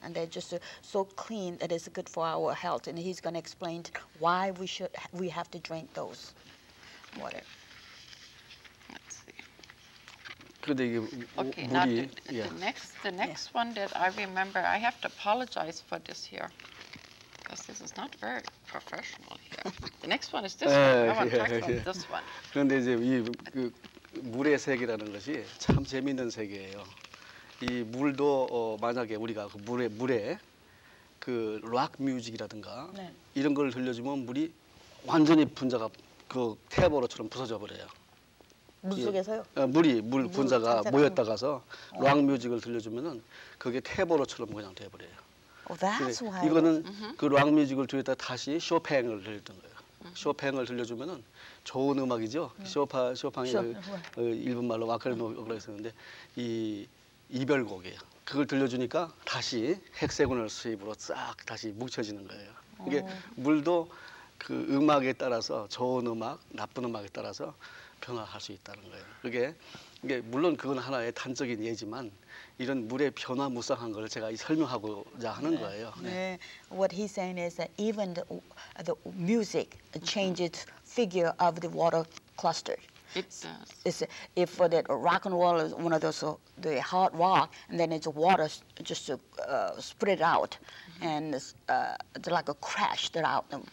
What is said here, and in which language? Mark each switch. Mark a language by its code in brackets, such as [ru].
[en] And they're just so clean that it's good for our health. And he's going to explain why we should we have to drink those water. Okay, now the next one that I remember, I have to apologize for this here, because this is not very professional here. The next one is this one. I want to talk about this one. [ko] 그런데 이제 이 그 물의 세계라는 것이 참 재미있는 세계예요. 이 물도 만약에 우리가 그 물에 그 록 뮤직이라든가 이런 걸 들려주면 물이 완전히 분자가 그 태버로처럼 부서져 버려요. 물 속에서요? 물 분자가 모였다가서 록 뮤직을 들려주면은 그게 태보로처럼 그냥 돼버려요. [en] Oh, that's why. [ko] 이거는 그 록 뮤직을 들었다 다시 쇼팽을 들었던 거예요. 쇼팽을 들려주면은 좋은 음악이죠. 쇼팽이 일본 말로 와크레노라고 했었는데 이 이별곡이에요. 그걸 들려주니까 다시 핵세군을 수입으로 싹 다시 뭉쳐지는 거예요. 이게 물도 그 음악에 따라서 좋은 음악, 나쁜 음악에 따라서 변화할 수 있다는 거예요. 그게 이게 물론 그건 하나의 단적인 예지만 이런 물의 변화 무쌍한 걸 제가 설명하고자 하는 거예요. 네. 네. [en] What he's saying is that even the music changes figure of the water cluster. It does. It's if for that rock and roll is one of those the hard rock and then it's water just to spread out and it's like a crash that out.